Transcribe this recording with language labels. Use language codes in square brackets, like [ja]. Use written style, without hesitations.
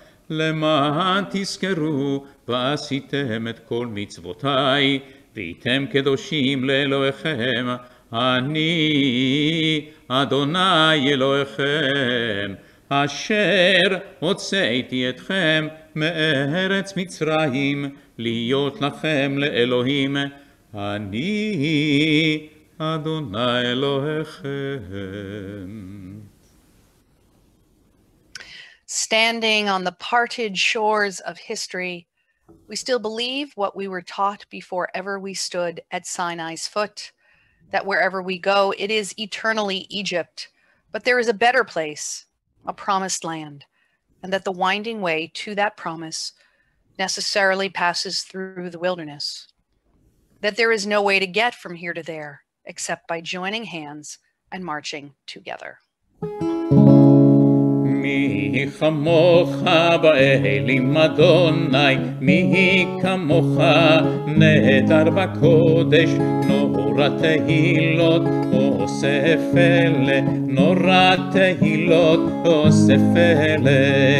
[he] למען תזכרו ועשיתם את כל מצוותיי והייתם קדושים לאלוהיכם אני אדוני אלוהיכם אשר הוצאתי אתכם מארץ מצרים להיות לכם לאלוהים אני אדוני אלוהיכם. [en] Standing on the parted shores of history, we still believe what we were taught before ever we stood at Sinai's foot, that wherever we go, it is eternally Egypt, but there is a better place, a promised land, and that the winding way to that promise necessarily passes through the wilderness, that there is no way to get from here to there except by joining hands and marching together. [he] מי כמוך באלים אדוני, מי כמוך נהדר בקודש, נורא תהילות אוסף אלה, נורא תהילות אוסף אלה.